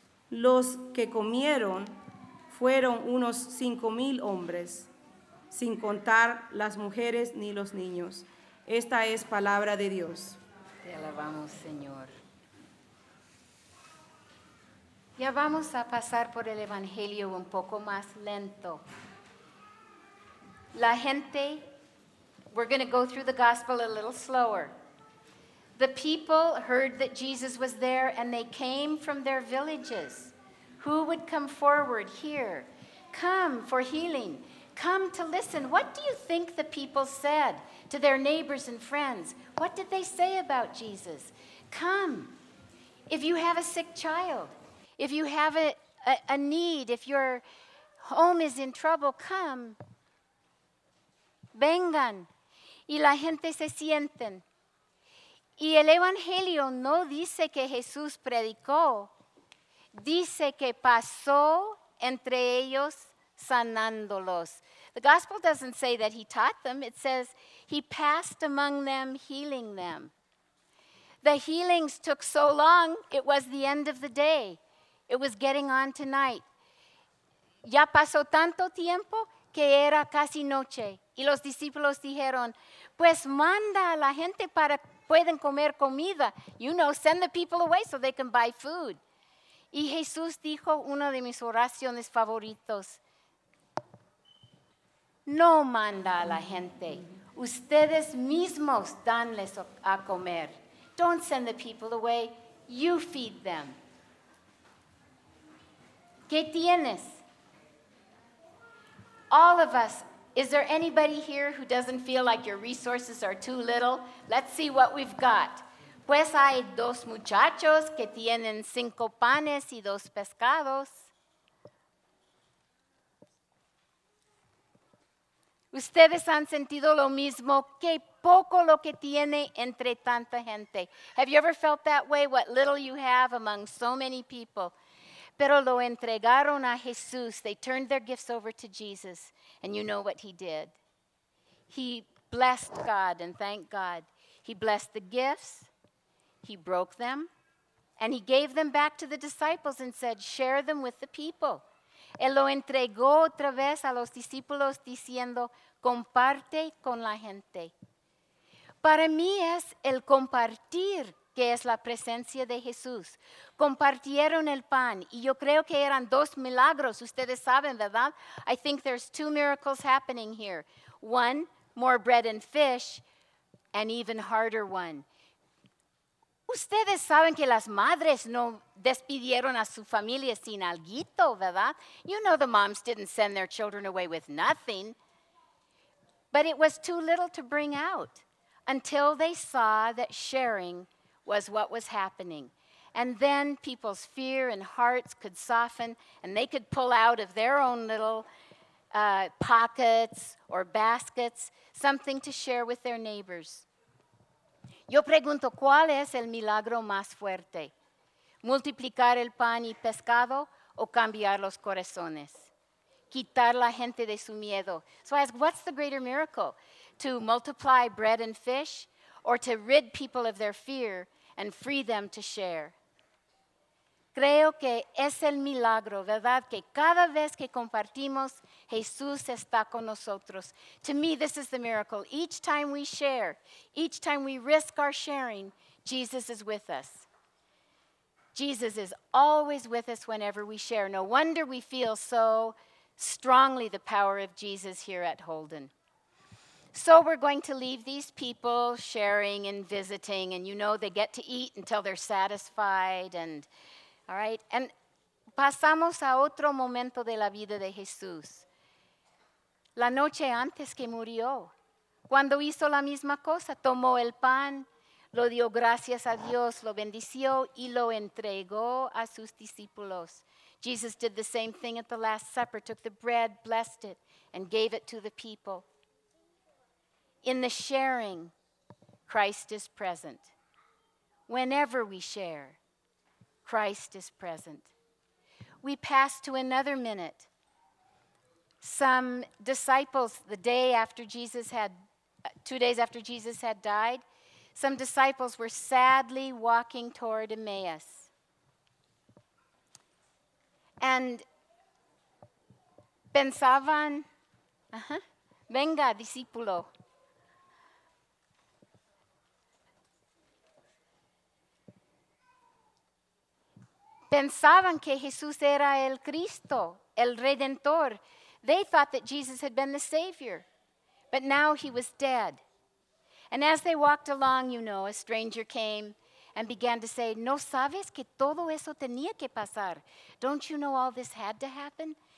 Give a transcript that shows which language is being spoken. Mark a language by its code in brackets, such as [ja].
[es] Los que comieron fueron unos 5,000 hombres, sin contar las mujeres ni los niños. Esta es palabra de Dios. Te alabamos, Señor. Ya vamos a pasar por el Evangelio un poco más lento. La gente, [en] we're going to go through the gospel a little slower. The people heard that Jesus was there and they came from their villages. Who would come forward here? Come for healing. Come to listen. What do you think the people said to their neighbors and friends? What did they say about Jesus? Come. If you have a sick child, if you have a need, if your home is in trouble, come. [es] Vengan. Y la gente se sienten. Y el Evangelio no dice que Jesús predicó. Dice que pasó entre ellos sanándolos. [en] The gospel doesn't say that he taught them. It says he passed among them, healing them. The healings took so long, it was the end of the day. It was getting on to night. [es] Ya pasó tanto tiempo que era casi noche. Y los discípulos dijeron, pues manda a la gente para pueden comer comida. [en] You know, send the people away so they can buy food. [es] Y Jesús dijo una de mis oraciones favoritos. No manda a la gente. Ustedes mismos danles a comer. [en] Don't send the people away. You feed them. [es] ¿Qué tienes? [en] All of us. Is there anybody here who doesn't feel like your resources are too little? Let's see what we've got. [es] Pues hay 2 muchachos que tienen 5 panes y 2 pescados. Ustedes han sentido lo mismo, que poco lo que tiene entre tanta gente. [en] Have you ever felt that way, what little you have among so many people? [es] Pero lo entregaron a Jesús. [en] They turned their gifts over to Jesus, and you know what he did. He blessed God and thanked God. He blessed the gifts, he broke them, and he gave them back to the disciples and said, share them with the people. [es] Él lo entregó otra vez a los discípulos diciendo, comparte con la gente. Para mí es el compartir, que es la presencia de Jesús. Compartieron el pan y yo creo que eran dos milagros. Ustedes saben, ¿verdad? [en] I think there's two miracles happening here. One, more bread and fish, an even harder one. [es] Ustedes saben que las madres no despidieron a su familia sin alguito, ¿verdad? [en] You know the moms didn't send their children away with nothing. But it was too little to bring out until they saw that sharing was what was happening. And then people's fear and hearts could soften and they could pull out of their own little pockets or baskets something to share with their neighbors. [es] Yo pregunto, ¿cuál es el milagro más fuerte? ¿Multiplicar el pan y pescado o cambiar los corazones? Quitar la gente de su miedo. [en] So I ask, what's the greater miracle? To multiply bread and fish or to rid people of their fear and free them to share? [es] Creo que es el milagro, ¿verdad? Que cada vez que compartimos, Jesús está con nosotros. [en] To me, this is the miracle. Each time we share, each time we risk our sharing, Jesus is with us. Jesus is always with us whenever we share. No wonder we feel so strongly the power of Jesus here at Holden. So we're going to leave these people sharing and visiting, and you know they get to eat until they're satisfied, and all right, and [es] pasamos a otro momento de la vida de Jesús. La noche antes que murió, cuando hizo la misma cosa, tomó el pan, lo dio gracias a Dios, lo bendició y lo entregó a sus discípulos. [en] Jesus did the same thing at the Last Supper, took the bread, blessed it, and gave it to the people. In the sharing, Christ is present. Whenever we share, Christ is present. We pass to another minute. Some disciples, the day after Jesus had, 2 days after Jesus had died, some disciples were sadly walking toward Emmaus. [es] And pensaban, venga, discípulo. Pensaban que Jesús era el Cristo, el Redentor. [en] They thought that Jesus had been the Savior, but now he was dead. And as they walked along, you know, a stranger came and began to say, [es] ¿No sabes que todo eso tenía que pasar? [en] Don't you know all this had to happen?